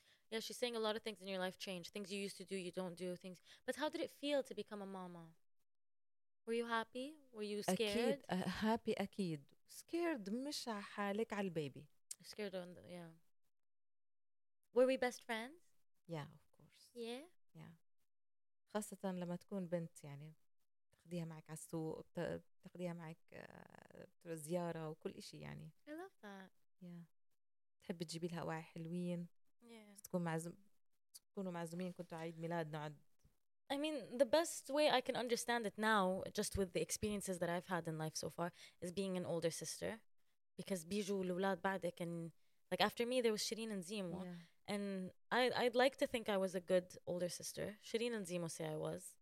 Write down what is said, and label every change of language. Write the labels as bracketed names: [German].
[English] Yeah, she's saying a lot of things in your life change, things you used to do you don't do things. But how did it feel to become a mama? Were you happy? Were you scared? [Arabic] أكيد. Happy, أكيد. Scared, مش على حالك على البيبي. [English] Scared on the, yeah. Were we best friends? Yeah, of course. Yeah? Yeah. [Arabic] خاصة لما تكون بنت, يعني بتاخديها معك على السوق, بتاخديها معك زيارة وكل إشي يعني. [English] I love that. Yeah. [Arabic] تحب تجيبي لها أواعي حلوين. [English] Yeah. [Arabic] تكونوا معزومين, كنتوا عيد ميلاد نعد. [English] I mean, the best way I can understand it now, just with the experiences that I've had in life so far, is being an older sister. Because بيجوا الأولاد بعدك, and like after me, there was Shireen and Zimo. Yeah. And I'd like to think I was a good older sister. Shireen and Zimo say I was.